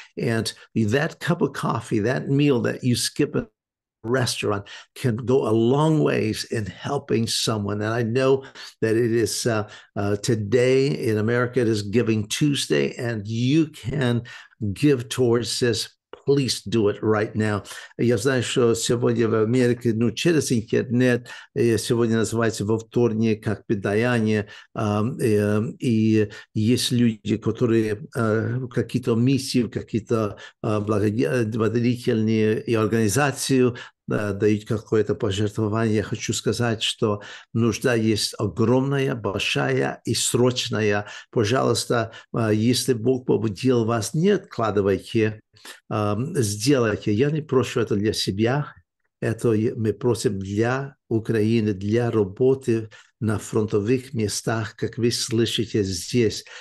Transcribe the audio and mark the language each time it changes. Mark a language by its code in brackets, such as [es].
[en] And that cup of coffee, that meal that you skip at a restaurant can go a long ways in helping someone. And I know that it is today in America, it is Giving Tuesday, and you can give towards this. please do it right now. [uk] Я знаю, що сьогодні в Америці, ну, через інтернет, сьогодні називається вовторні, як підаяння, і є люди, які якісь місії, якісь благодійні організації, дають [ru] какое-то пожертвование. Я хочу сказать, что нужда есть огромная, большая и срочная. Пожалуйста, если Бог побудил вас, не откладывайте, сделайте. Я не прошу это для себя, это мы просим для Украины, для работы на фронтовых местах, как вы слышите здесь.